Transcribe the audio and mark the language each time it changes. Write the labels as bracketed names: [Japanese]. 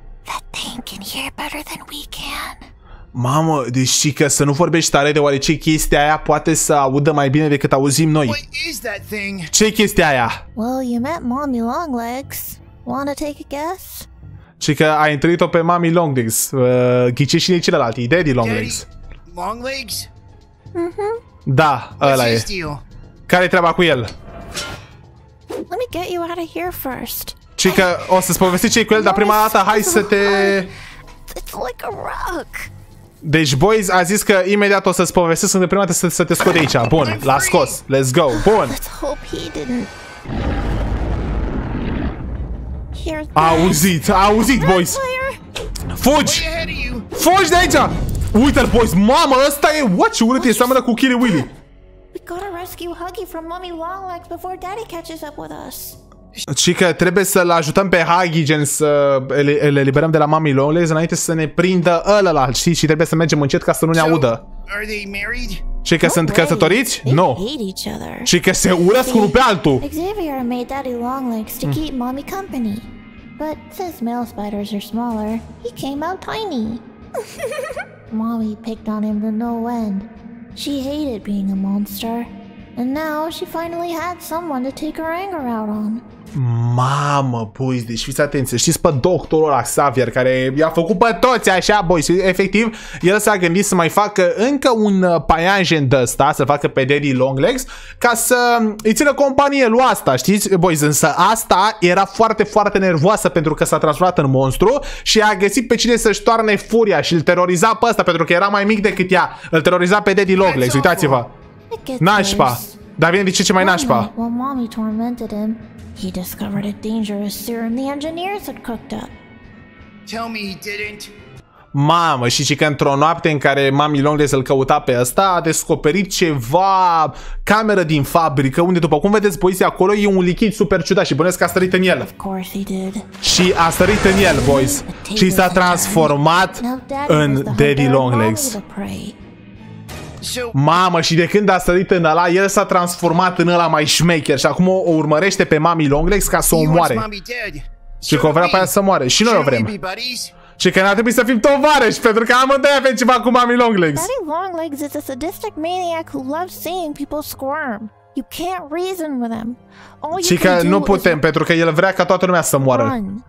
[English] That thing can hear better than we can. [Romanian] Mamă, deci știi că să nu vorbești tare, deoarece chestia aia poate să audă mai bine decât auzim noi. [English] What is that thing? [Romanian] Ce-i chestia aia? [English] Well, you met Mommy Longlegs. Wanna take a guess? [Romanian] Și că ai întâlnit-o pe Mommy Longlegs. Ghice și nici celălalt, e Daddy Longlegs. [English] Daddy Longlegs? Mhm. [Romanian] Da, ăla e. Care-i treaba cu el? [English] Let me get you out of here first. [Romanian] Și că o să-ți povesti ce-i cu el, dar prima dată hai să te... [English] It's like a rock. [Romanian] Deci boys a zis că imediat o să-ți povestesc, de prima dată să te scot de aici. Bun, l-a scos. [English] Let's go. [Romanian] Bun. [English] Let's hope he didn't. [Romanian] Auzit, auzit, boys. Fugi! Fugi de aici! Uite-l, boys. Mamă, ăsta e... [English] What? [Romanian] Ce urât e, seamănă cu Kiri Willy. [English] We gotta rescue Huggy from Mommy Longlegs before Daddy catches up with us. [Romanian] Chica, trebuie să-l ajutăm pe Huggy, gen să le eliberăm de la Mommy Longlegs înainte să ne prindă ălălalt, știi? Și trebuie să mergem încet ca să nu ne audă. [English] Are they married? [Romanian] Chica, no sunt way. Căsătoriți? Nu. [English] They hate each other. [Romanian] Chica, se urăsc unul pe altul. [English] Xavier made Daddy Longlegs to keep Mommy company. But since male spiders are smaller, he came out tiny. Mommy picked on him to no end. She hated being a monster. And now she finally had someone to take her anger out on. [Romanian] Mamă, boys, deci fiți atenți, știți pe doctorul ăla Xavier, care i-a făcut pe toți așa, boys, efectiv, el s-a gândit să mai facă încă un paianjen de ăsta, să-l facă pe Daddy Longlegs, ca să îi țină companie lui asta, știți, boys, însă asta era foarte, foarte nervoasă pentru că s-a transformat în monstru și a găsit pe cine să-și toarne furia și îl teroriza pe ăsta pentru că era mai mic decât ea, îl teroriza pe Daddy Longlegs, uitați-vă, nașpa, dar vine de ce mai nașpa? [English] He discovered a dangerous serum the engineers had cooked up. Tell me he didn't. [Romanian] Mamă, și că într-o noapte în care Mommy Longlegs îl căuta pe ăsta, a descoperit ceva cameră din fabrică, unde după cum vedeți boys, acolo e un lichid super ciudat și bănesc că a sărit în el. Of course he did. Și a sărit în el, boys. Și s-a transformat în Daddy Longlegs. Mamă, și de când a sărit în ăla, el s-a transformat în ăla mai șmecher și acum o urmărește pe Mommy Longlegs ca să o moare. Și că o vrea pe aia să moare. Și noi o vrem. Și că n-ar trebui să fim tovarăși, pentru că amândoi avem ceva cu Mommy Longlegs. [English] Daddy Longlegs is a sadistic maniac who loves seeing people squirm. You can't reason with him. [Romanian] Și că nu putem, pentru că el vrea ca toată lumea să moară.